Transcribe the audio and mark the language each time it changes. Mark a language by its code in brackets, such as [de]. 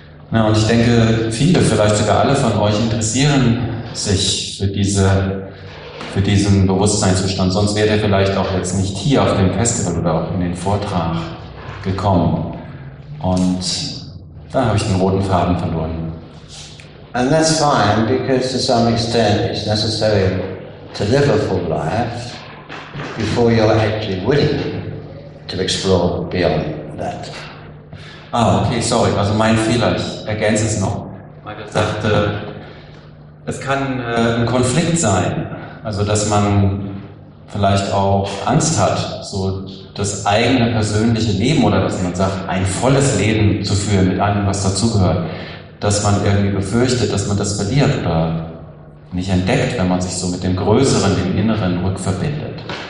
[de] Na, und ich denke, viele, vielleicht sogar alle von euch interessieren sich für diesen Bewusstseinszustand, sonst wäre der vielleicht auch jetzt nicht hier auf dem Festival oder auch in den Vortrag gekommen. Und da habe ich den roten Faden verloren. [en] And that's fine, because to some extent it's necessary to live a full life before you're actually willing to explore beyond that. [de] Ah, okay, sorry, also mein Fehler, ich ergänze es noch. Michael sagte, es kann ein Konflikt sein, also dass man vielleicht auch Angst hat, so das eigene persönliche Leben oder was man sagt, ein volles Leben zu führen mit allem, was dazugehört, dass man irgendwie befürchtet, dass man das verliert oder nicht entdeckt, wenn man sich so mit dem Größeren, dem Inneren rückverbindet.